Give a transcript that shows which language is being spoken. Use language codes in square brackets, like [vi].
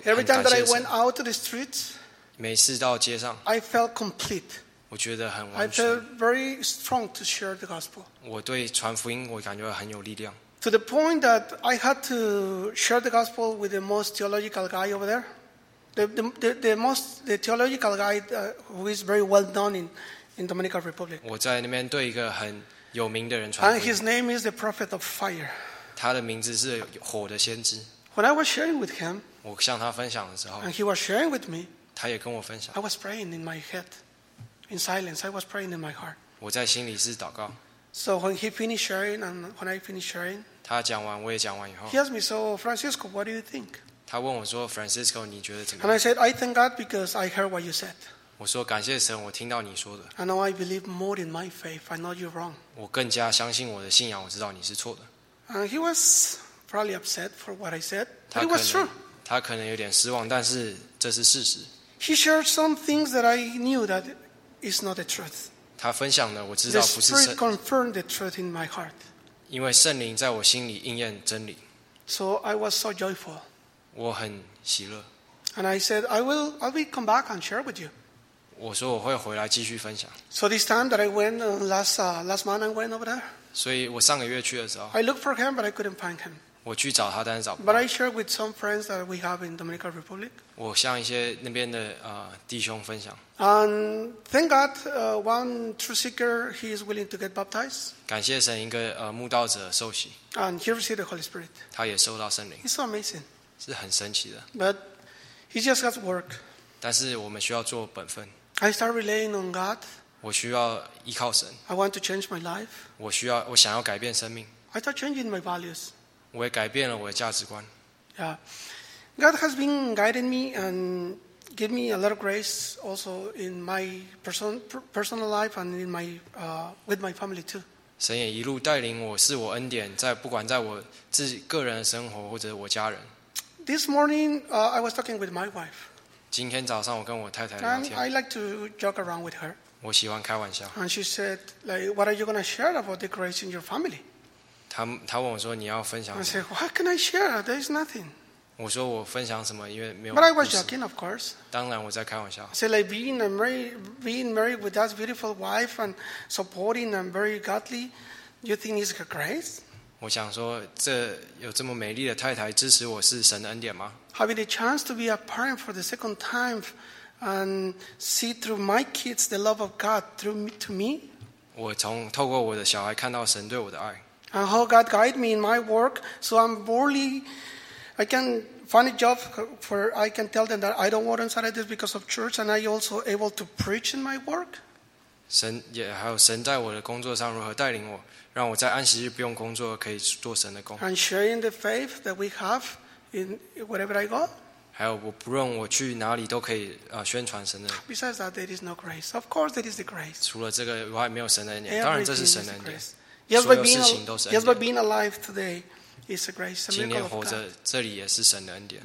[en] Every time that I went out to the streets, [zh] 每次到街上 [en] ，I felt complete. [zh] 我觉得很完 [en] 全。I felt very strong to share the gospel. [zh] 我对传福音我感觉很有力量。 [en] To the point that I had to share the gospel with the most theological guy over there, the theological guy who is very well known in Dominican Republic. [zh] 我在那边对一个很有名的人传福音。 [en] And his name is the Prophet of Fire. [zh] 他的名字是火的先知。 [en] When I was sharing with him, [zh] 我向他分享的时候 [en] ，and he was sharing with me, [zh] 他也跟我分享。 [en] I was praying in my head. In silence, I was praying in my heart. [zh] 我在心里是祷告。 [en] So when he finished sharing and when I finished sharing, [zh] 他讲完我也讲完以后。 [en] He asked me, "So Francisco, what do you think?" [zh] 他问我说 ，Francisco， 你觉得怎么样 [en] ？And I said, "I thank God because I heard what you said." [zh] 我说感谢神，我听到你说的。 [en] And now I believe more in my faith. I know you're wrong. [zh] 我更加相信我的信仰，我知道你是错的。 [en] And he was probably upset for what I said, but it was true. [zh] 他可能有点失望，但是这是事实。 [en] He shared some things that I knew that. It's not the truth. [zh] 他分享的我知道不是 [en] 圣。The Spirit confirmed the truth in my heart. [zh] 因为圣灵在我心里应验真理。 [en] So I was so joyful. [zh] 我很喜乐。 [en] And I said, I will come back and share with you. [zh] 我说我会回来继续分享。 [en] So this time that I went last month I went over there. [zh] 所以我上个月去的时候。 [en] I looked for him, but I couldn't find him. [zh] 我去找他，但是找不到。 [en] But I shared with some friends that we have in Dominican Republic. [zh] 我向一些那边的弟兄分享。 [en] And thank God, one true seeker he is willing to get baptized. [zh] 感谢神，一个慕道者受洗。 [en] And he received the Holy Spirit. [zh] 他也受到圣灵。 [en] It's so amazing. [zh] 是很神奇的。 [en] But he just got to work. [zh] 但是我们需要做本分。 [en] I start relying on God. [zh] 我需要依靠神。 [en] I want to change my life. [zh] 我想要改变生命。 [en] I start changing my values. [zh] 我也改变了我的价值观。 [en] Yeah, God has been guiding me and. Give me a lot of grace also in my personal life and in my with my family too. [zh] 神也一路带领我，是我恩典，在不管在我自己个人的生活或者我家人。 [en] This morning, I was talking with my wife. [zh] 今天早上我跟我太太聊天。 [en] And I like to joke around with her. [zh] 我喜欢开玩笑。 [en] And she said, "Like, what are you going to share about the grace in your family?" [zh] 她问我说你要分享什么。 [en] I said, "What can I share? There is nothing." [zh] 我说我分享什么，因为没有。 [en] But I was joking, of course. [zh] 当然我在开玩笑。 [en] So like being married with that beautiful wife and supporting and very godly, you think is a grace? [zh] 我想说，这有这么美丽的太太支持我是神的恩典吗 [en] ？Having the chance to be a parent for the second time and see through my kids the love of God through me, to me. [zh] 我从透过我的小孩看到神对我的爱。 [en] And how God guide me in my work, so I'm boldly. I can find a job for. I can tell them that I don't want to study this because of church, and I also able to preach in my work. [zh] 神也还有神在我的工作上如何带领我，让我在安息日不用工作，可以做神的工。 [en] And sharing the faith that we have in wherever I go. [zh] 还有我不论我去哪里都可以宣传神的。 [en] Besides that, there is no grace. Of course, there is the grace. [zh] 除了这个以外，没有神的恩典。当然，这是神的恩典。 [en] Yes, by being alive today. It's a grace. [zh] 今天活着，这里也是神的恩典。